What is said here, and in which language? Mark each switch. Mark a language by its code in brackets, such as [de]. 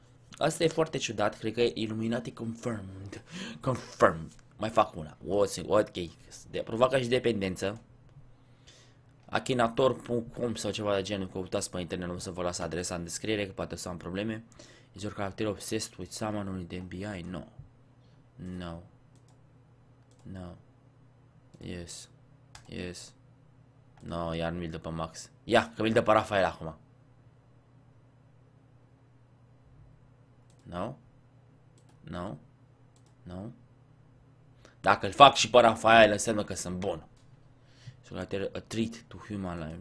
[ro] Asta e foarte ciudat, cred că e Illuminati confirmed. Confirmed. Mai fac una. What cake. De provoca și dependență. Akinator.com sau ceva de genul, căutați pe internet, o să vă las adresa în descriere, că poate să am probleme. [en] Is your character obsessed with someone in the NBA? No. No. No. Yes. Yes. [ro] No, iar nu mi-l dă pe Max. Ia, că mi-l dă pe Rafael acum. No. No. No. Dacă îl fac și pe Rafael, înseamnă că sunt bun. [en] Is your character a treat to human life?